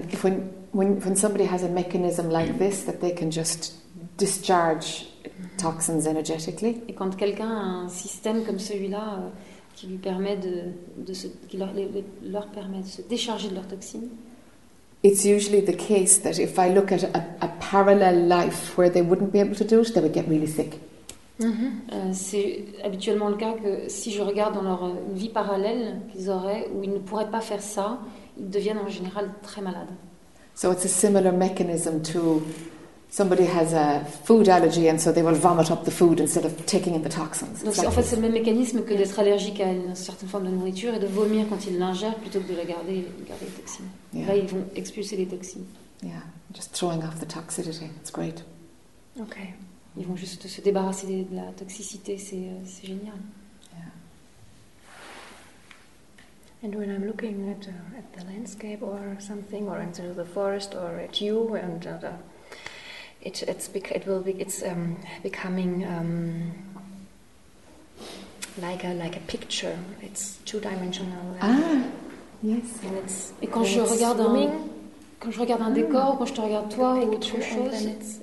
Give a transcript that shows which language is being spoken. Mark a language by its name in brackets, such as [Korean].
[English] And if when somebody has a mechanism like this that they can just discharge toxins energetically. [French] Et quand quelqu'un a un système comme celui-là qui lui permet qui leur permet de se décharger de leurs toxines. [English] It's usually the case that if I look at a parallel life where they wouldn't be able to do it, they would get really sick. Mm-hmm. [French] C'est habituellement le cas que si je regarde dans leur vie parallèle qu'ils auraient où ils ne pourraient pas faire ça, ils deviennent en général très malades. [English] So it's a similar mechanism to somebody has a food allergy and so they will vomit up the food instead of taking in the toxins. [French] Donc en fait c'est le même mécanisme que d'être allergique à une certaine forme de nourriture et de vomir quand ils l'ingèrent plutôt que de la garder les toxines. [English] Yeah. [French] Là ils vont expulser les toxines. [English] Yeah, just throwing off the toxicity. It's great. Okay. [French] Ils vont juste se débarrasser de la toxicité, c'est génial. [English] And when I'm looking at the landscape or something, or into the forest, or at you, and it's becoming like a picture. It's two dimensional. Ah, yes. And it's [French] et quand je regarde swimming, quand je regarde un décor, ou quand je te regarde toi ou autre chose,